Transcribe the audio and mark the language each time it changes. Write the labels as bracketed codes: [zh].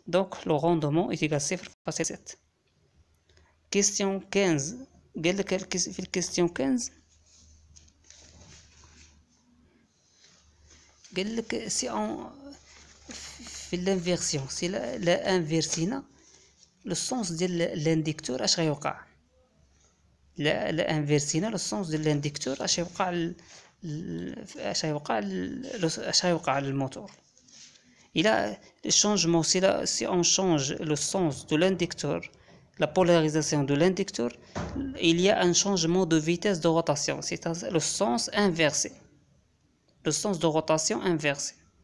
[fr] Donc le rendement est égal 0,7. Question 15. [ar] قال لك في الكيستيون 15 قال لك سي اون في الانفيرسيون، سي لا انفيرسينا لو سونس ديال الانديكتور اش غيوقع. لا انفيرسينا لو سونس ديال الانديكتور اش غيوقع، اش غيوقع للموتور. الى الشونجمون سي لا سي اون شونج لو سونس دو الانديكتور [fr] la polarisation de l'inducteur, il y a un changement de vitesse de rotation, c'est-à-dire le sens inversé, le sens de rotation inversé.